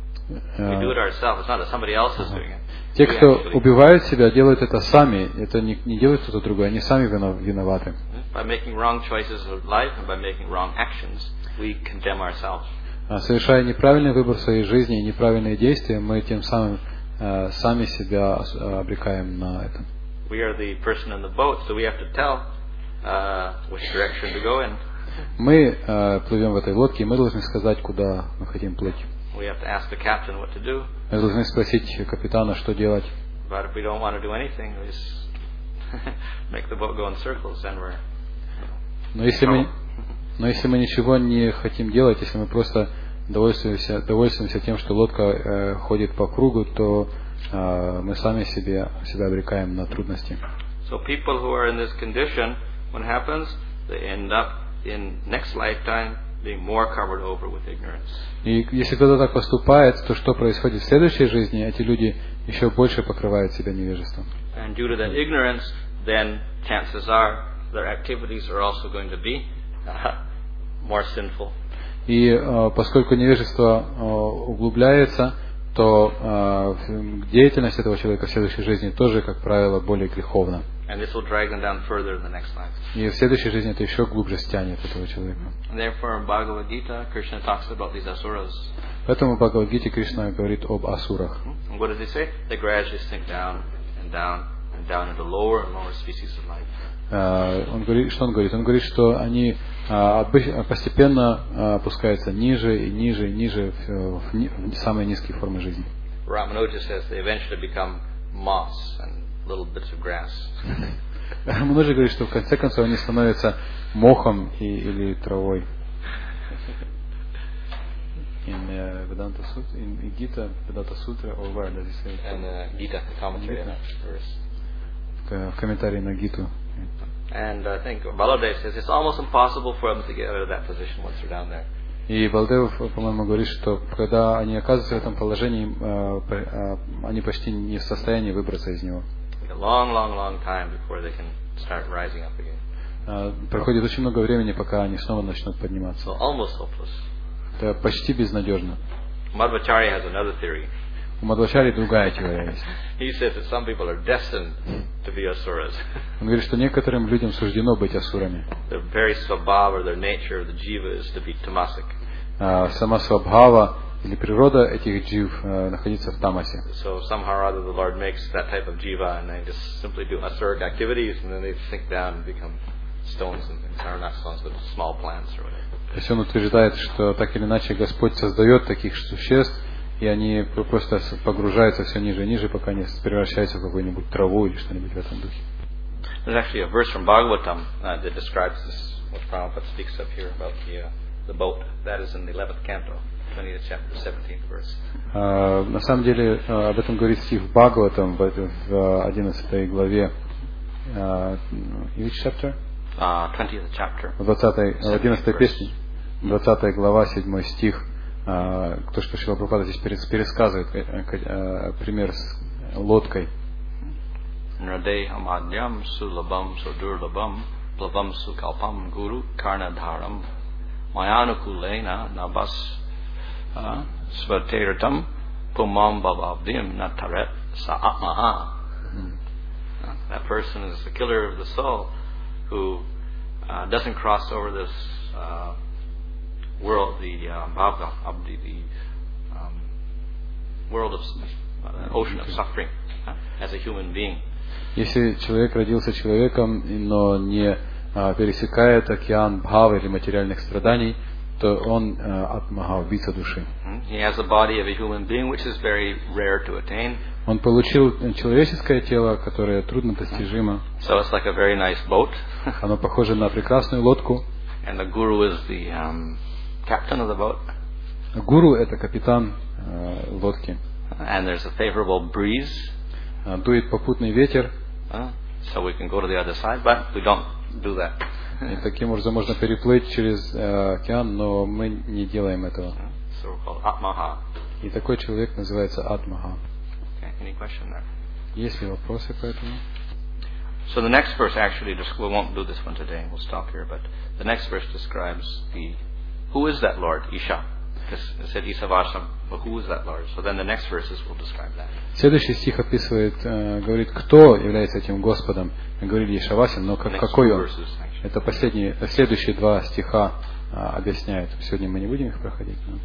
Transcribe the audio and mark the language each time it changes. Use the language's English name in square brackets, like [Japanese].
[English] We do it ourselves. It's not that somebody else is doing it. [Russian] Те, кто убивают себя, делают это сами. Это не делают кто-то другой. Они сами виноваты. [English] By making wrong choices of life and by making wrong actions, we condemn ourselves. [Russian] Совершая неправильный выбор в своей жизни и неправильные действия, мы тем самым сами себя обрекаем на это. [English] We are the person in the boat, so we have to tell which direction to go in. [Russian] Мы плывем в этой лодке, и мы должны сказать, куда мы хотим плыть. [English] We have to ask the captain what to do. [Russian] Мы должны спросить капитана, что делать. [English] But if we don't want to do anything, we just make the boat go in circles, then we're. [Russian] Но если мы ничего не хотим делать, если мы просто довольствуемся тем, что лодка ходит по кругу, то мы сами себя обрекаем на трудности. [English] So people who are in this condition, what happens? They end up in next lifetime being more covered over with ignorance. [Russian] И если кто-то так поступает, то что происходит в следующей жизни? Эти люди еще больше покрывают себя невежеством. [English] And due to that ignorance, then chances are their activities are also going to be more sinful. [Russian] И поскольку невежество углубляется, то деятельность этого человека в следующей жизни тоже, как правило, более греховна. [English] And this will drag them down further the next life. [Russian] И в следующей жизни это еще глубже стянет этого человека. [English] And therefore, in Bhagavad Gita, Krishna talks about these asuras. [Russian] Поэтому в Бхагавад Гите Кришна говорит об асурах. [English] What does he say? They gradually sink down and down and down into lower and lower species of life. [Russian] Он говорит, что он говорит? Он говорит, что они постепенно опускаются ниже и ниже и ниже в самые низкие формы жизни. [English] Рамануджа says they eventually become moss and little bits of grass. [Russian] Рамануджа говорит, что в конце концов они становятся мохом или травой. [English] In Vedanta Sutra, in Gita, Vedanta Sutra, or where does he say? And Gita, the commentary on that verse. [Russian] В комментарии на Гиту. [English] And I think Baladev says it's almost impossible for them to get out of that position once they're down there. [Russian] И Балдев, по-моему, говорит, что когда они оказываются в этом положении, они почти не в состоянии выбраться из него. [English] A long, long, long time before they can start rising up again. [Russian] Проходит очень много времени, пока они снова начнут подниматься. [English] So almost hopeless. [Russian] Это почти безнадежно. [English] Madhvacharya has another theory. [Russian] У Мадхвачари другая теория есть. [English] He says that some people are destined to be asuras. [Russian] Он говорит, что некоторым людям суждено быть асурами. [English] Their very swabhava or their nature of the jiva is to be tamasic. [Russian] Сама свабхава или природа этих джив находится в тамасе. [English] So somehow or other the Lord makes that type of jiva and they just simply do asuric activities and then they sink down and become stones and things. Or not stones, but small plants or whatever. [Russian] То есть он утверждает, что так или иначе Господь создает таких существ, и они просто погружаются все ниже и ниже, пока не превращаются в какую-нибудь траву или что-нибудь в этом духе. [English] There's actually a verse from Bhagavatam that describes this, what Prabhupada speaks of here about the boat. That is in the 11th canto, 20th chapter, 17th verse. [Russian] На самом деле, об этом говорит стих Бхагаватам в 11 главе. [English] Which chapter? 20th chapter. [Russian] 11 песни. 20 глава, 7 стих. То, что Шрила Прабхупада здесь пересказывает пример с лодкой. [Sanskrit] Нрадейхам адьям сулабам судурлабам плавам сукалпам гуру карнадхарам майанукулейна набас сватейратам пумам бабабдим натарет саатмаа. [English] That person is the killer of the soul who doesn't cross over this world, world of ocean of suffering, as a human being. [Russian] Если человек родился человеком, но не пересекает океан бхавы или материальных страданий, то он атмага, убийца души. [English] He has a body of a human being, which is very rare to attain. [Russian] Он получил человеческое тело, которое трудно достижимо. [English] So it's like a very nice boat. [Russian] Оно похоже на прекрасную лодку. [English] And the guru is the captain of the boat. [Russian] Гуру это капитан лодки. [English] And there's a favorable breeze. [Russian] Дует попутный ветер. [English] So we can go to the other side, but we don't do that. [Russian] И таким образом можно переплыть через океан, но мы не делаем этого. [English] So we're called Atmaha. [Russian] И такой человек называется Атмаха. [English] Okay, any question there? [Russian] Есть ли вопросы по этому? [English] So the next verse actually we won't do this one today. We'll stop here, but the next verse describes the who is that Lord, Isha? Because it said Isha Vasham, but who is that Lord? So then the next verses will describe that. [Russian] Следующий стих описывает, говорит, кто является этим Господом? Говорит Исха Васим, но какой он? Это последние, следующие два стиха объясняют. Сегодня мы не будем их проходить.